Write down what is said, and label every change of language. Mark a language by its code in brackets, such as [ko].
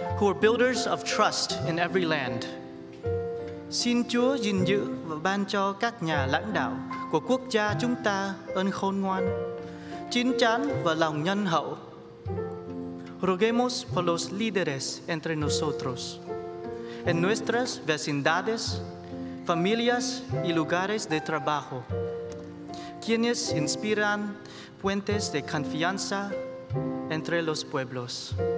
[en] who are builders of trust in every land. [vi] Xin Chúa gìn giữ và ban cho các nhà lãnh đạo của quốc gia chúng ta ơn khôn ngoan, chín chắn và lòng nhân hậu. [es] Roguemos por los líderes entre nosotros, en nuestras vecindades, familias y lugares de trabajo, quienes inspiran puentes de confianza entre los pueblos.